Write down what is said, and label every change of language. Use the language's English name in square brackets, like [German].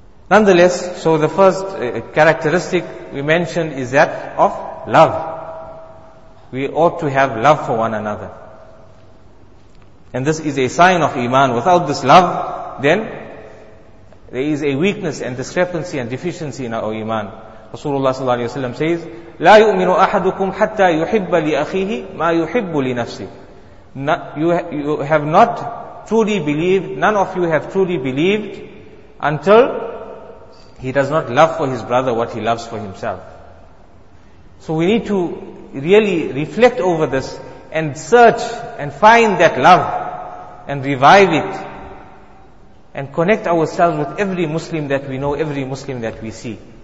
[English] Nonetheless, so the first characteristic we mentioned is that of love. We ought to have love for one another. And this is a sign of Iman. Without this love, then there is a weakness and discrepancy and deficiency in our Iman. Rasulullah sallallahu alayhi wa sallam says, [Arabic] لَا يُؤْمِنُ أَحَدُكُمْ حَتَّى يُحِبَّ لِأَخِيهِ مَا يُحِبُّ لِنَفْسِهِ. [English] You have not truly believed, none of you have truly believed, until he does not love for his brother what he loves for himself. So we need to really reflect over this, and search and find that love and revive it and connect ourselves with every Muslim that we know, every Muslim that we see.